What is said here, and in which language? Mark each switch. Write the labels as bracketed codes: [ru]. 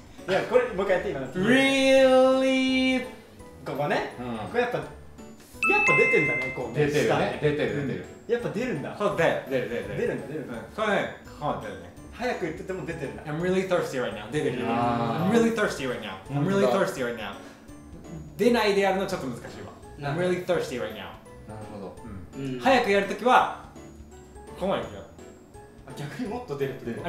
[ja] いや、これ、もう一回やっていいかな。 [en] Really. [ja] ここね。これやっぱ、やっぱ出てんだね、こう。出てるね。出てる、出てる。やっぱ出るんだ。そう、出る。出る、出る。出るんだ、出るんだ。そうね。出るね。早く言ってても出てるんだ。 [en] I'm really thirsty right now. [ja] 出てる。 [en] I'm really thirsty right now. I'm really thirsty right now. [ja] 出ないでやるのちょっと難しいわ。 [en] I'm really thirsty right now. [ja] 早くやるときはここまで行くよ。逆にもっと出るってこと。